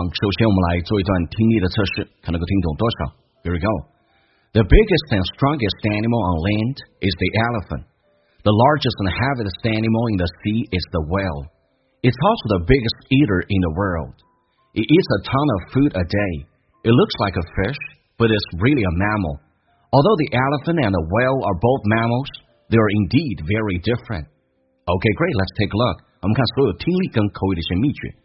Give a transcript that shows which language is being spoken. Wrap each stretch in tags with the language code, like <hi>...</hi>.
<zh>首先我们来做一段听力的测试，看能够听懂多少。</zh> <en>Here we go. The biggest and strongest animal on land is the elephant. The largest and heaviest animal in the sea is the whale. It's also the biggest eater in the world. It eats a ton of food a day. It looks like a fish, but it's really a mammal. Although the elephant and the whale are both mammals, they are indeed very different. Okay, great, let's take a look.</en> <zh>我们看所有听力跟口语的一些秘诀。</zh>